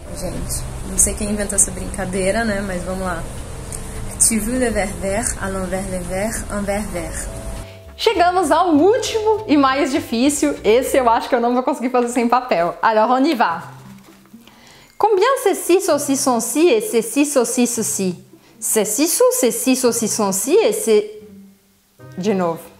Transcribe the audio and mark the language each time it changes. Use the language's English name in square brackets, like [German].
[Portuguese] Gente, não sei quem inventou essa brincadeira, né? Mas vamos lá. [French] Tu veux le verre vert, à l'envers le verre, en verre vert. [Portuguese] Chegamos ao último e mais difícil. Esse eu acho que eu não vou conseguir fazer sem papel. [French] Alors, on y va. Combien ces six saucissons ci et ces six saucisses ci? Ces six sous, ces six saucissons ci et ces... [Portuguese] De novo.